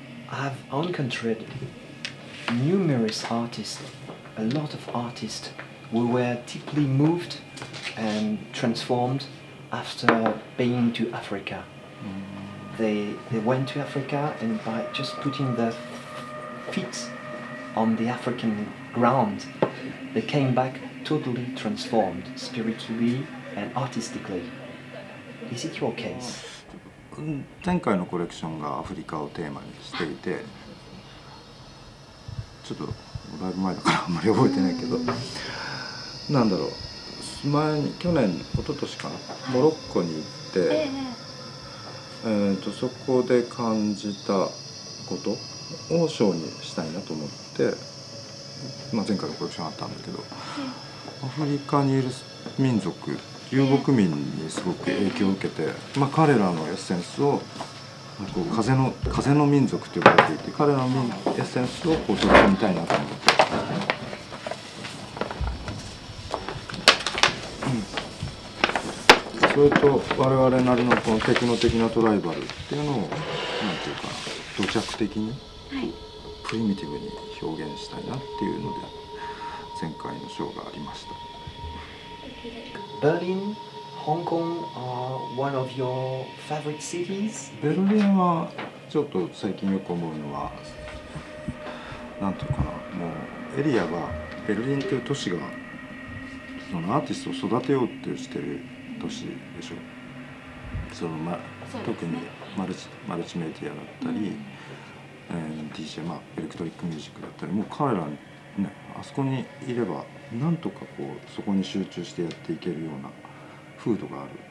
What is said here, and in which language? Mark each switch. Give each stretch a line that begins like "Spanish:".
English: I've encountered numerous artists, a lot of artists who were deeply moved and transformed after being to Africa. They went to Africa and by just putting their feet on the African ground, they came back totally transformed spiritually and artistically. Is it your case?
Japanese: 前回のコレクションがアフリカをテーマにしていて、ちょっとだいぶ前だからあんまり覚えてないけど、なんだろう、前に去年、一昨年かな、モロッコに行って。そこで感じたことをショーにしたいなと思って、まあ、前回のコレクションあったんだけど、アフリカにいる民族、遊牧民にすごく影響を受けて、まあ、彼らのエッセンスをこう風の民族と呼ばれていて、彼らのエッセンスをこう取り込みたいなと思って、それと我々なりのこのテクノ的なトライバルっていうのをなんていうか土着的にプリミティブに表現したいなっていうので前回のショーがありました。
English: Berlin, Hong Kong are one of your favorite cities?
Japanese: ベルリンはちょっと最近よく思うのはなんていうかな、もうエリアがベルリンという都市がそのアーティストを育てようとしてる都市でしょ。その、ま、特にマルチメディアだったり、DJ、まあ、エレクトリックミュージックだったり、もう彼らね、あそこにいればなんとかこうそこに集中してやっていけるような風土がある。